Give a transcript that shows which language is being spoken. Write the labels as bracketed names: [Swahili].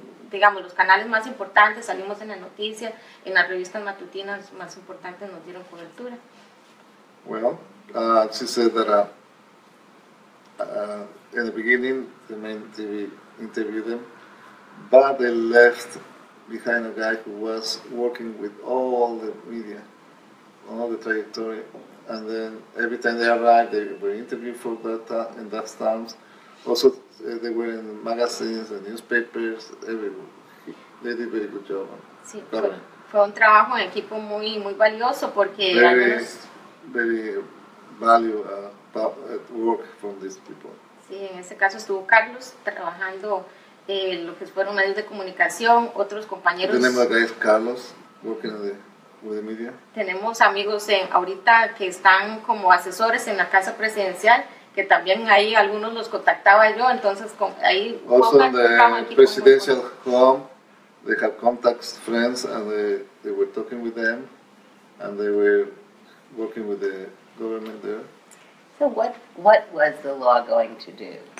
[Spanish] Digamos, los canales más importantes, salimos en la noticia, en las revistas matutinas más importantes nos dieron cobertura. [English] Well, she said that in the beginning, the main TV interviewed them, but they left behind a guy who was working with all the media, all the trajectory, and then every time they arrived, they were interviewed for that in that times. Also, they were in magazines and newspapers, everywhere. They did a very good job. [Spanish] Sí, fue un trabajo en equipo muy, muy valioso porque [English] very valuable work from these people. [Spanish] Sí, en ese caso estuvo Carlos trabajando lo que fueron medios de comunicación, otros compañeros. Tenemos acá es [English] Carlos working in the, with the media. [Spanish] Tenemos amigos en, ahorita que están como asesores en la casa presidencial, que también ahí algunos los contactaba yo, entonces con, ahí [English] also in the presidential home. They have contacts, friends, and they were talking with them, and they were working with the government there. So what was the law going to do?